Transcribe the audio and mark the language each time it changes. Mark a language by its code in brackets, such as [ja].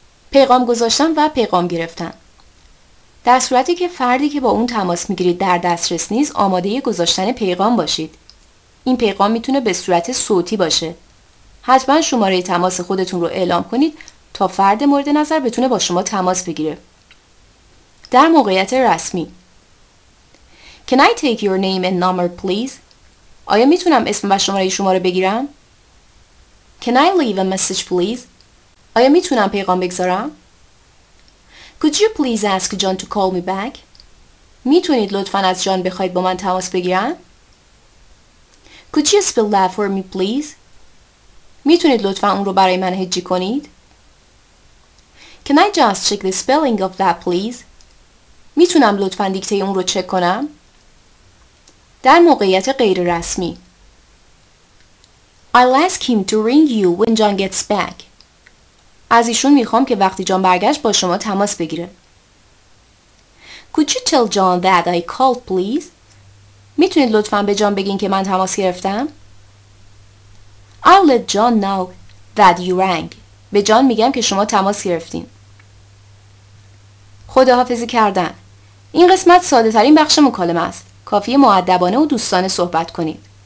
[fa] پیغام گذاشتن و پیغام گرفتن. در صورتی که فردی که با اون تماس میگیرید در دسترس نیست، آماده گذاشتن پیغام باشید. این پیغام میتونه به صورت صوتی باشه. حتما شماره تماس خودتون رو اعلام کنید تا فرد مورد نظر بتونه با شما تماس بگیره. در موقعیت رسمی. [en] Can I take your name and number please? [fa] آیا میتونم اسم و شماره شما رو بگیرم؟ [en] Can I leave a message please? [fa] آیا میتونم پیغام بگذارم؟ [en] Could you please ask John to call me back? [fa] میتونید لطفاً از جان بخواید با من تماس بگیرن؟ [en] Could you spell that for me please? [fa] میتونید لطفاً اون رو برای من هجی کنید؟ [en] Can I just check the spelling of that please? [fa] میتونم لطفاً دیکته اون رو چک کنم؟ در موقعیت غیر رسمی. [en] I'll ask him to ring you when John gets back. [fa] از ایشون میخوام که وقتی جان برگشت با شما تماس بگیره. [en] Could you tell John that I called please? [fa] میتونید لطفاً به جان بگین که من تماس گرفتم؟ [en] I'll let John know that you rang. [fa] به جان میگم که شما تماس گرفتین. خداحافظی کردن. این قسمت ساده ترین بخش مکالمه است. کافی مؤدبانه و دوستانه صحبت کنید.